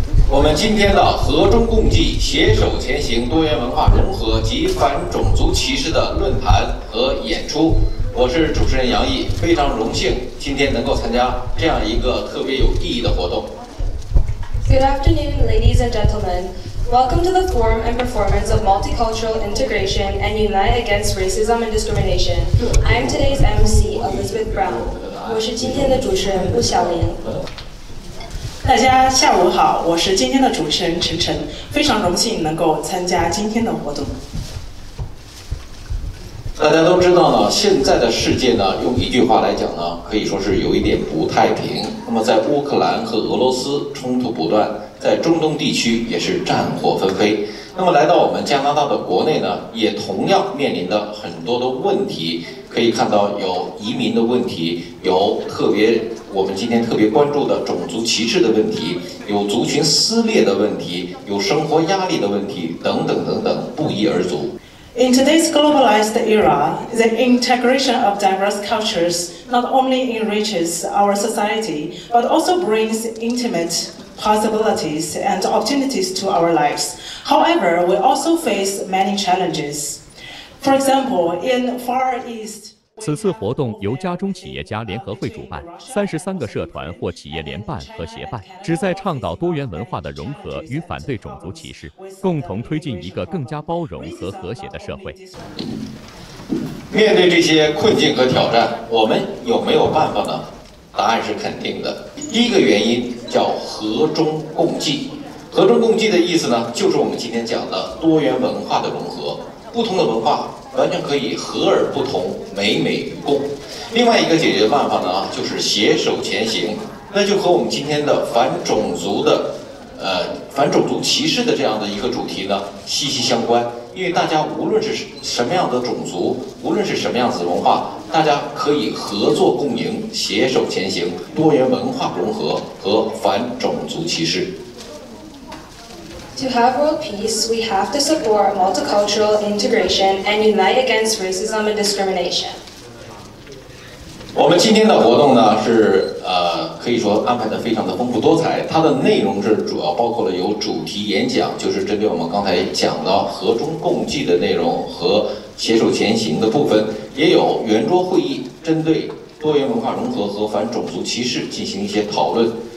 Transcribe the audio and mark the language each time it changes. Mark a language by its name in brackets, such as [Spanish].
[Chinese] 我们今天的和中共济携手前行多元文化融合及反种族歧视的论坛和演出，我是主持人杨毅，非常荣幸今天能够参加这样一个特别有意义的活动。 [English] Good afternoon, ladies and gentlemen. Welcome to the forum and performance of Multicultural Integration and Unite Against Racism and Discrimination. I'm today's MC, Elizabeth Brown. [Chinese] 我是今天的主持人顾晓玲。大家下午好，我是今天的主持人陈晨，非常荣幸能够参加今天的活动。大家都知道呢，现在的世界呢，用一句话来讲呢，可以说是有一点不太平。那么在乌克兰和俄罗斯冲突不断，在中东地区也是战火纷飞。那么来到我们加拿大的国内呢，也同样面临着很多的问题。可以看到有移民的问题，有特别我们今天特别关注的种族歧视的问题，有族群撕裂的问题，有生活压力的问题，等等等等，不一而足。 [English] In today's globalized era, the integration of diverse cultures not only enriches our society, but also brings intimate possibilities and opportunities to our lives. However, we also face many challenges. For example, in Far East... [Chinese] 此次活动由家中企业家联合会主办，33个社团或企业联办和协办，旨在倡导多元文化的融合与反对种族歧视，共同推进一个更加包容和和谐的社会。面对这些困境和挑战，我们有没有办法呢？答案是肯定的。第一个原因叫和中共济。和中共济的意思呢，就是我们今天讲的多元文化的融合，不同的文化完全可以和而不同，美美与共。另外一个解决办法呢，就是携手前行，那就和我们今天的反种族的反种族歧视的这样的一个主题呢息息相关。因为大家无论是什么样的种族，无论是什么样子文化，大家可以合作共赢，携手前行，多元文化融合和反种族歧视。 [English] To have world peace, we have to support multicultural integration and unite against racism and discrimination. [Chinese] 我们今天的活动呢是可以说安排的非常的丰富多彩，它的内容是主要包括了有主题演讲，就是针对我们刚才讲到和中共济的内容和携手前行的部分，也有圆桌会议，针对多元文化融合和反种族歧视进行一些讨论。